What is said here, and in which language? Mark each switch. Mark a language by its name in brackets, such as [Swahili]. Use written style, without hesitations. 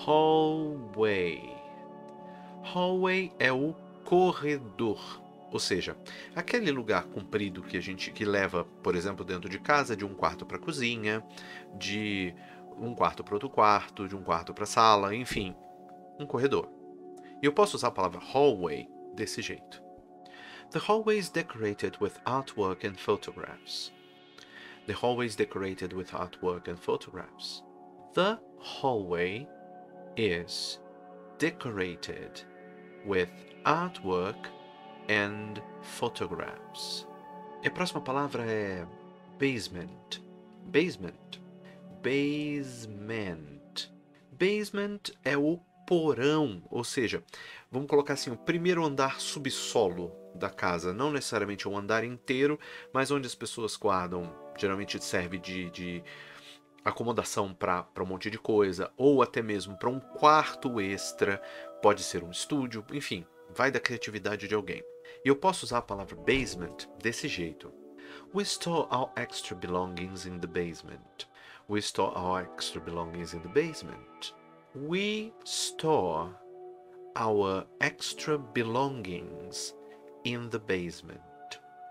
[Portuguese] Hallway. Hallway é o corredor. Ou seja, aquele lugar comprido que leva, por exemplo, dentro de casa, de um quarto para a cozinha, de um quarto para outro quarto, de um quarto para a sala, enfim, um corredor. E eu posso usar a palavra hallway desse jeito. [English] The hallway is decorated with artwork and photographs. The hallway is decorated with artwork and photographs. The hallway is decorated with artwork and photographs. [Portuguese] E a próxima palavra é basement. Basement. [English] Basement. [Portuguese] Basement é o porão, ou seja, vamos colocar assim, o primeiro andar subsolo da casa, não necessariamente o andar inteiro, mas onde as pessoas guardam, geralmente serve de acomodação para um monte de coisa, ou até mesmo para um quarto extra, pode ser um estúdio, enfim, vai da criatividade de alguém. E eu posso usar a palavra basement desse jeito. [English] We store our extra belongings in the basement. We store our extra belongings in the basement. We store our extra belongings in the basement.